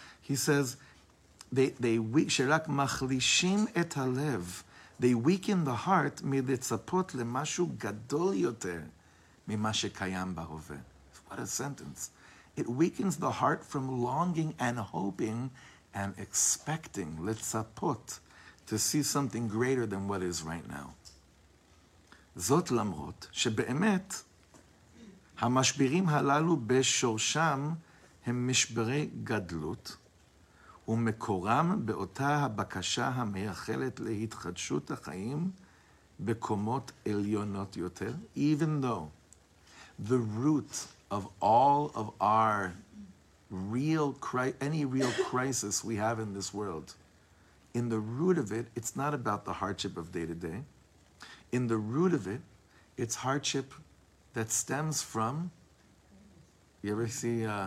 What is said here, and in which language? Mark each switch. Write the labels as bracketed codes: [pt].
[en] He says, they weaken the heart, [he] midetzapot lemashu gadol yoter, mimashe kayam bahoveh. [en] What a sentence. It weakens the heart from longing and hoping and expecting, letzapot, to see something greater than what is right now. [he] זאת למרות שבאמת המשברים הללו בשורשם הם משברי גדלות ומקורם באותה הבקשה המייחלת להתחדשות החיים בקומות עליונות יותר. [en] Even though the root of all of our real crisis we have in this world, in the root of it, it's not about the hardship of day to day. In the root of it, it's hardship that stems from. You ever see?